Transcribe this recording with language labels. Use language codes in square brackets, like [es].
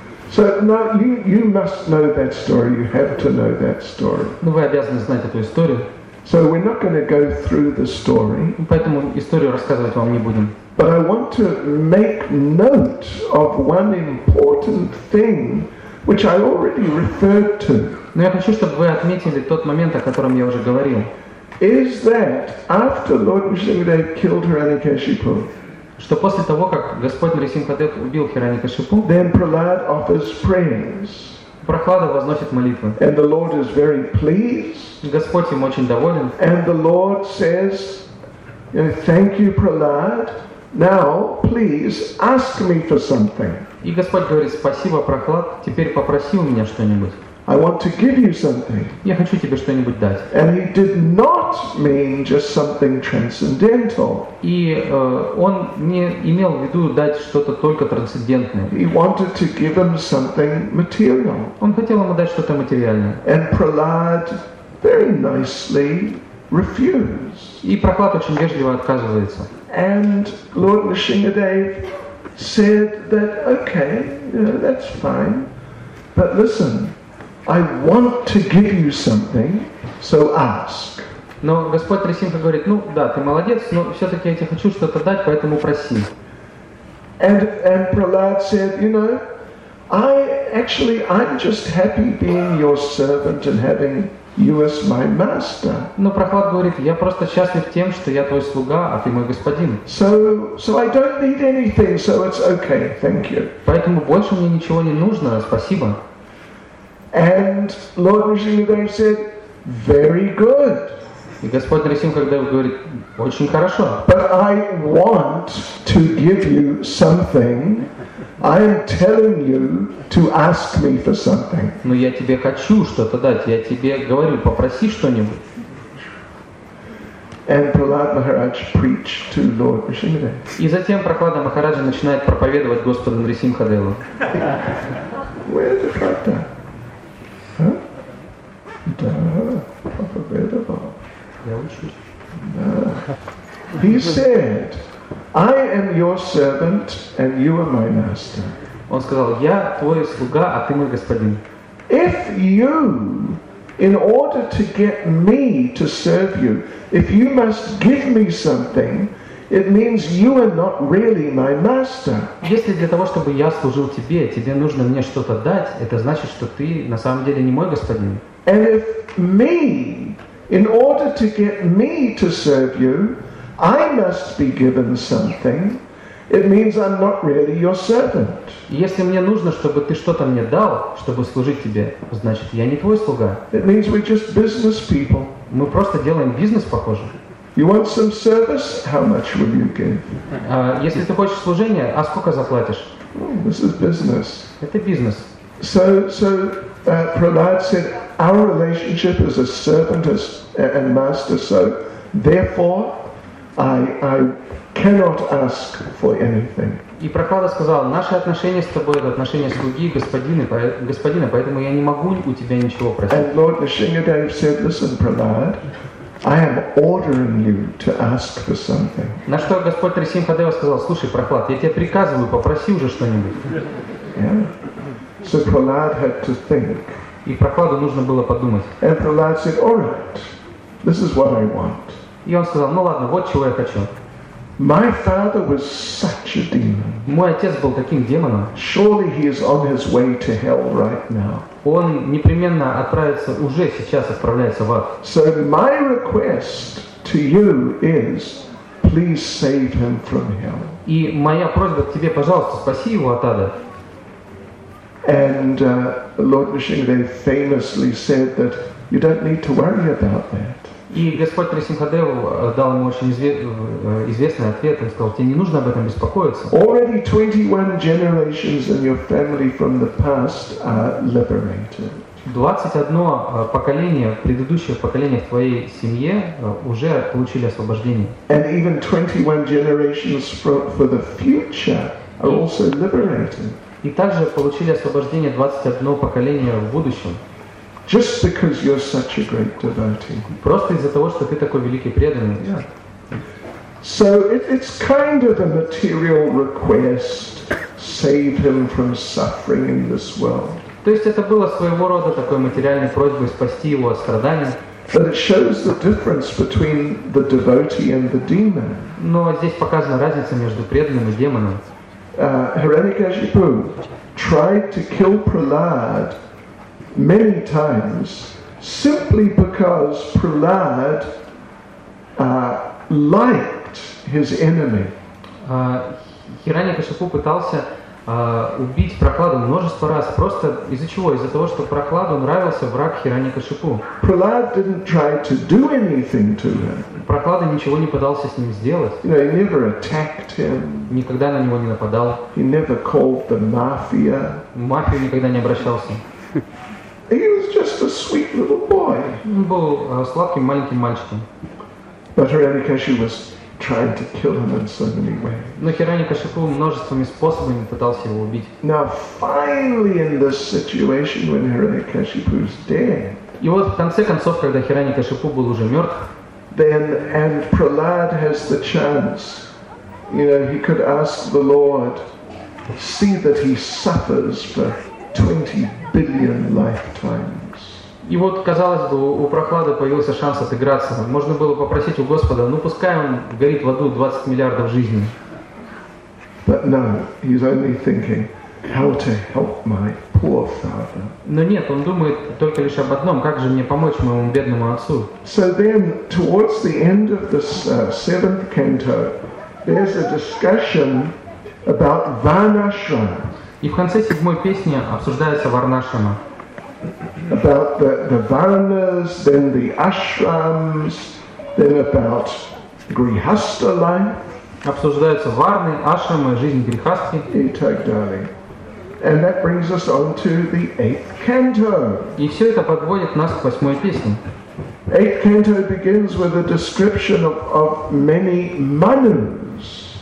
[en] So now you must know that story. You have to know that story. [ru] Ну, вы обязаны знать эту историю. [en] So we're not going to go through the story. [ru] Поэтому историю рассказывать вам не будем. [en] But I want to make note of one important thing which I already referred to. [ru] Но я хочу, чтобы вы отметили тот момент, о котором я уже говорил. [en] Is that after Lord Nrisimhadev killed Hiranyakashipu? [ru] Что после того, как Господь Нрисимхадев убил Хиранякашипу, [en] then Prahlad offers prayers. [ru] Прохлада возносит молитвы. [en] And the Lord is very pleased. [ru] Господь им очень доволен. [en] And the Lord says, thank you, Prahlad. Now, please ask me for something. [ru] И Господь говорит: спасибо, Прохлад. Теперь попроси у меня что-нибудь. [en] I want to give you something. [ru] Я хочу тебе что-нибудь дать. [en] And he did not mean just something transcendental. [ru] И он не имел в виду дать что-то только трансцендентное. [en] He wanted to give him something material. [ru] Он хотел ему дать что-то материальное. [en] And Prahlad very nicely refused. [ru] И Прохлад очень вежливо отказывается. [en] And Lord Nrisimhadev said that okay, yeah, that's fine, but listen. I want to give you something, so ask. [ru] Но Господь Трисимха говорит: ну да, ты молодец, но все-таки я тебе хочу что-то дать, поэтому проси. [en] And Prahlad said, you know, I'm just happy being your servant and having you as my master. [ru] Но Прохлад говорит: я просто счастлив тем, что я твой слуга, а ты мой господин. [en] So I don't need anything, so it's okay, thank you. [ru] Поэтому больше мне ничего не нужно, спасибо. [en] And Lord Nrisimhadev said, "Very good." [ru] И Господь Нрисимхадев говорит: очень хорошо. [en] But I want to give you something. I am telling you to ask me for something. [ru] Но я тебе хочу что-то дать. Я тебе говорю, попроси что-нибудь. [en] And Prahlad Maharaj preached to Lord Nrisimhadev. [ru] И затем Прохлада Махараджа начинает проповедовать Господу Нрисимхадеву. [en] Where did that come? [ru] Да, проповедовал. Я учусь. Да. [en] He said, "I am your servant, and you are my master." [ru] Он сказал: я твой слуга, а ты мой господин. [en] If you, in order to get me to serve you, if you must give me something, it means you are not really my master. [ru] Если для того, чтобы я служил тебе, тебе нужно мне что-то дать, это значит, что ты на самом деле не мой господин. [en] And if me, in order to get me to serve you, I must be given something, it means I'm not really your servant. [ru] Если мне нужно, чтобы ты что-то мне дал, чтобы служить тебе, значит, я не твой слуга. [en] It means we're just business people. [ru] Мы просто делаем бизнес, похоже. [en] You want some service? How much will you give? [ru] Если ты хочешь служения, а сколько заплатишь? [en] Oh, this is business. [ru] Это бизнес. [en] So Prahlad said, our relationship is a servant and master, so therefore I cannot ask for anything. [ru] И Прохлада сказал: наши отношения с тобой — это отношения слуги и господина, поэтому я не могу у тебя ничего просить. [en] And Lord Nrisimhadev said, listen, Prahlad, I am ordering you to ask for something. [ru] На что Господь Трисимхадева сказал: слушай, Прохлад, я тебе приказываю, попроси уже что-нибудь. [en] So Prahlad had to think. [ru] И Прохладу нужно было подумать. [en] And Prahlad said, all right, this is what I want. [ru] И он сказал: ну ладно, вот чего я хочу. [en] My father was such a demon. [ru] Мой отец был таким демоном. [en] Surely he is on his way to hell right now. [ru] Он непременно отправится, уже сейчас отправляется в ад. [en] So my request to you is, please save him from hell. [ru] И моя просьба к тебе: пожалуйста, спаси его от ада. [en] And Lord Nrisimhadev famously said that you don't need to worry about that. [ru] И Господь Трисимхадев дал ему очень известный ответ. Он сказал: тебе не нужно об этом беспокоиться. [en] Already 21 generations in your family from the past are liberated. [ru] 21 поколение, предыдущее поколение в твоей семье уже получили освобождение. [en] And even 21 generations for the future are also liberated. [ru] И также получили освобождение 21 поколение в будущем. [en] Just because you're such a great devotee. [ru] Просто из-за того, что ты такой великий преданный. [en] Yeah. So it's kind of a material request. Save him from suffering in this world. [ru] То есть это было своего рода такой материальной просьбой спасти его от страданий. [en] But it shows the difference between the devotee and the demon. [ru] Но здесь показана разница между преданным и демоном. [en] Hiranyakashipu tried to kill Prahlad many times simply because Prahlad liked his enemy. [ru] Hiranyakashipu пытался убить Прохладу множество раз. Просто из-за чего? Из-за того, что Прохладу нравился враг Хираньякашипу. [en] Prahlad didn't try to do anything to him. [ru] Прохлада ничего не пытался с ним сделать. [en] You know, he never attacked him. [ru] Никогда на него не нападал. [en] He never called the mafia. [ru] Мафию никогда не обращался. [en] He was just a sweet little boy. [ru] Он был сладким маленьким мальчиком. [en] But Hiranyakashipu was trying to kill him in so many ways. [ru] Но Хираньякашипу множествами способами пытался его убить. [en] Now finally in this situation when Hiranyakashipu was dead. [ru] И вот в конце концов, когда Хираньякашипу был уже мертв, [en] then and Prahlad has the chance, you know, he could ask the Lord, see that he suffers for 20 billion lifetimes. [ru] И вот, казалось бы, у Прохлады появился шанс отыграться. Можно было попросить у Господа, ну пускай он горит в аду 20 миллиардов жизней. [en] But no, he's only thinking, how to help my poor father. [ru] Но нет, он думает только лишь об одном, как же мне помочь моему бедному отцу. [en] So then, towards the end of this seventh canto, there's a discussion about Varnashrama. [ru] И в конце седьмой песни обсуждается Варнашрама. [en] About the varnas, then the ashrams, then about grihastha life. [ru] Обсуждаются варны, ашрамы, жизнь грихасти. И так далее. [en] And that brings us on to the eighth canto. [ru] И все это подводит нас к восьмой песне. [en] Eighth canto begins with a description of many manus.